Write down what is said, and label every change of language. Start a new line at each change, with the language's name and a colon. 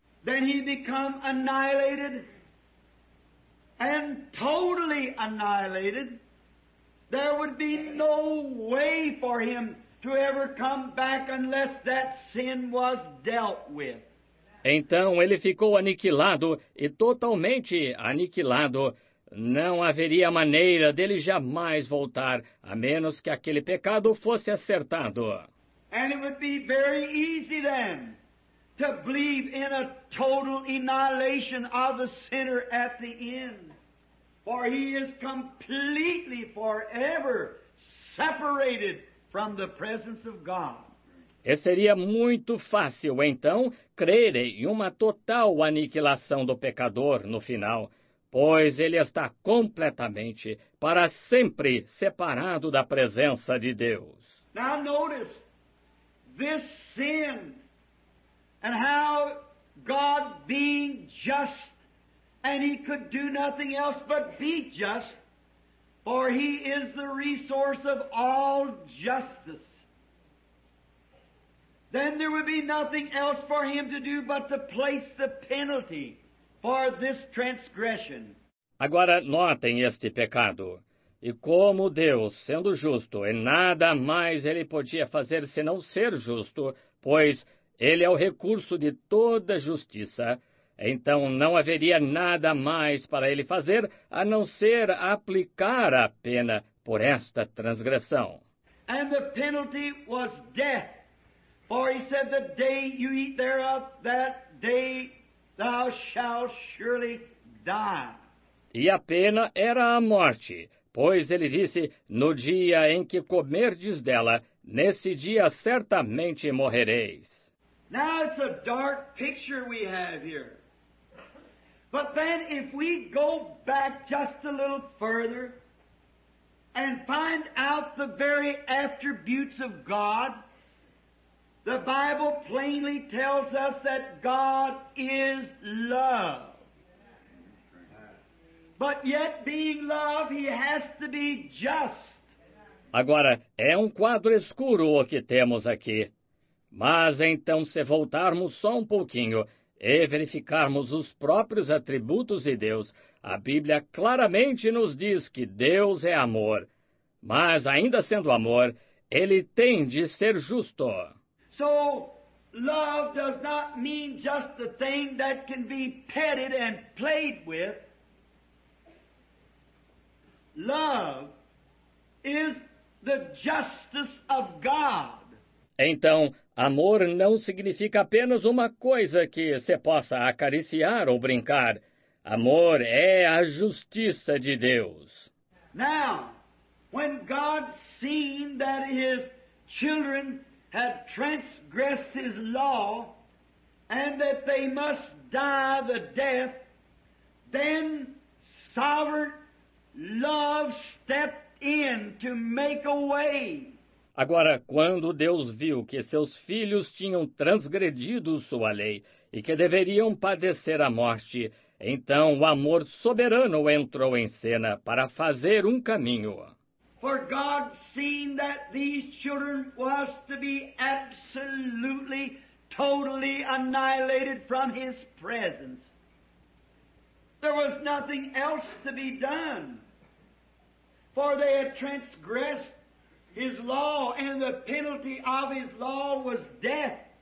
English: Then he became annihilated and totally annihilated. There would be no way for him to ever come back unless that sin was dealt with.
Portuguese: Então ele ficou aniquilado e totalmente aniquilado. Não haveria maneira dele jamais voltar, a menos que aquele pecado fosse acertado.
English: And it would be very easy then to believe in a total annihilation of the sinner at the end. For he is completely forever separated from the presence of God.
Portuguese: E seria muito fácil, então, crer em uma total aniquilação do pecador no final, pois ele está completamente, para sempre, separado da presença de Deus.
English: Now notice this sin and how God being just, and he could do nothing else but be just, for he is the resource of all justice. Then there would be nothing else for him to do but to place the penalty for this transgression.
Portuguese: Agora notem este pecado. E como Deus, sendo justo, e nada mais ele podia fazer senão ser justo, pois ele é o recurso de toda justiça, então não haveria nada mais para ele fazer a não ser aplicar a pena por esta transgressão.
English: And the penalty was death. For he said, the day you eat thereof, that day thou shalt surely die.
Portuguese: E a pena era a morte, pois ele disse, no dia em que comerdes dela, nesse dia certamente morrereis.
English: Now it's a dark picture we have here. But then if we go back just a little further and find out the very attributes of God, the Bible plainly tells us that God is love. But yet, being love, he has to be just.
Portuguese: Agora, é quadro escuro o que temos aqui. Mas então, se voltarmos só pouquinho e verificarmos os próprios atributos de Deus, a Bíblia claramente nos diz que Deus é amor. Mas, ainda sendo amor, ele tem de ser justo.
English: So, love does not mean just the thing that can be petted and played with. Love is the justice of God.
Portuguese: Então, amor não significa apenas uma coisa que se possa acariciar ou brincar. Amor é a justiça de Deus.
English: Now, when God seen that his children had transgressed his law and that they must die the death, then sovereign love stepped in to make a way.
Portuguese: Agora, quando Deus viu que seus filhos tinham transgredido sua lei e que deveriam padecer a morte, então o amor soberano entrou em cena para fazer caminho.
English: For God seeing that these children was to be absolutely, totally annihilated from his presence. There was nothing else to be done, for they had transgressed His law, and the penalty of His law was death.